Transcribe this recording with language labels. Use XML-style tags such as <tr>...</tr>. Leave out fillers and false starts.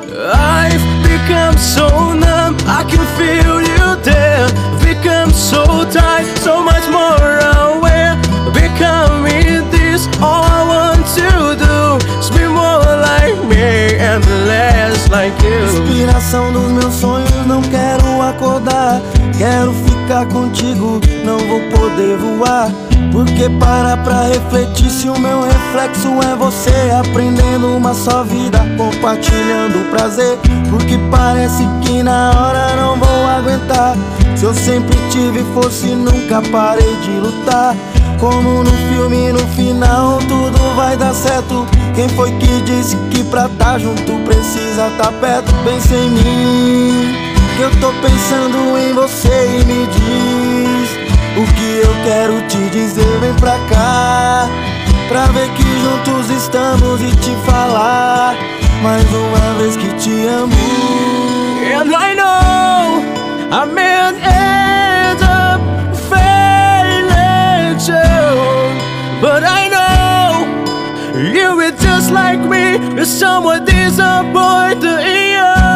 <en>I've become so numb, I can feel you. Become so tight, so much more aware. Becoming this, all I want to do is be more like me and less like you.</en> <pt>Inspiração dos meus sonhos, não quero acordar. Quero ficar contigo, não vou poder voar. Porque para pra refletir se o meu reflexo é você. Aprendendo uma só vida, compartilhando o prazer. Porque parece que na hora não vou aguentar. Se eu sempre tive força e nunca parei de lutar. Como no filme, no final tudo vai dar certo. Quem foi que disse que pra tá junto precisa tá perto? Pensa em mim, que eu tô pensando em você e me diz o que eu quero te dizer. Vem pra cá, pra ver que juntos estamos e te falar mais uma vez que te amo.</pt> <en>And I know I may end up failing too, but I know you were just like me, somewhat disappointing you.</en>